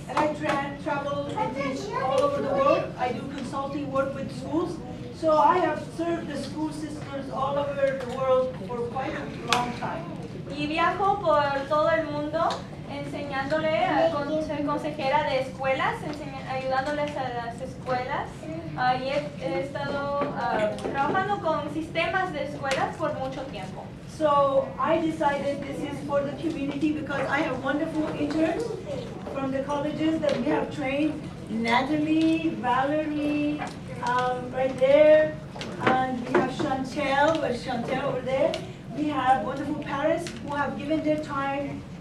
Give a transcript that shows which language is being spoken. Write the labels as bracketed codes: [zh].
[en] And I travel and teach all over the world. I do consulting work with schools. So I have served the school systems all over the world for quite a long time. [es] Y viajo por todo el mundo enseñándole a ser consejera de escuelas, ayudándoles a las escuelas. Y he estado trabajando con sistemas de escuelas por mucho tiempo. [en] So I decided this is for the community because I have wonderful interns from the colleges that we have trained. Natalie, Valerie, right there. And we have Chantel over there. We have wonderful parents who have given their time.